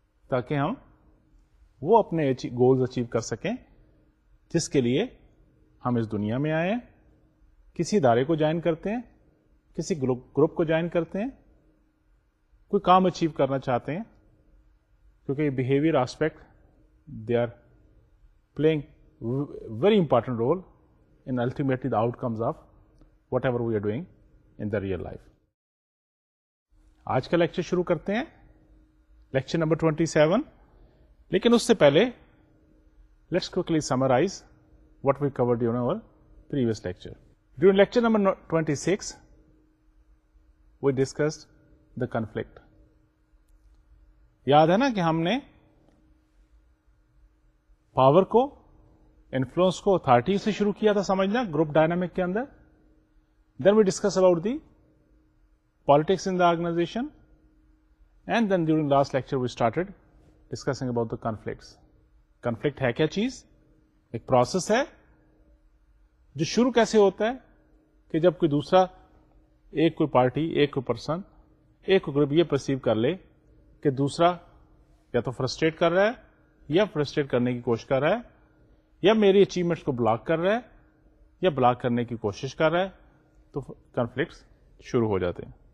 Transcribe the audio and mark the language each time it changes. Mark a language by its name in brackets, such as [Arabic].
[Urdu] تاکہ ہم وہ اپنے گولز اچیو کر سکیں جس کے لیے ہم اس دنیا میں آئے ہیں، کسی ادارے کو جوائن کرتے ہیں، کسی گروپ کو جوائن کرتے ہیں، کوئی کام اچیو کرنا چاہتے ہیں. [English] کیونکہ یہ behaviour aspect they are playing very important role in ultimately the outcomes of whatever we are doing in the real life. [Urdu] آج کا لیکچر شروع کرتے ہیں، لیکچر نمبر 27. [English] لیکن اس سے پہلے let's quickly summarise what we cover during over previous lecture. During lecture number 26 we discussed the conflict. [Urdu] یاد ہے نا کہ ہم نے پاور کو، انفلوئنس کو اتھارٹی سے شروع کیا تھا سمجھنا گروپ ڈائنامک کے اندر. [English] Then we discuss about the politics in the organisation, and then during last lecture we started discussing about the conflicts. [Urdu] Conflict ہے کیا چیز؟ ایک پروسیس ہے جو شروع کیسے ہوتا ہے کہ جب کوئی دوسرا، ایک کوئی پارٹی، ایک کوئی پرسن، ایک کوئی گروپ یہ پرسیو کر لے کہ دوسرا یا تو فرسٹریٹ کر رہا ہے یا فرسٹریٹ کرنے کی کوشش کر رہا ہے یا میری اچیومنٹس کو بلاک کر رہا ہے یا بلاک کرنے کی کوشش کر رہا ہے تو کنفلکٹس شروع ہو جاتے ہیں.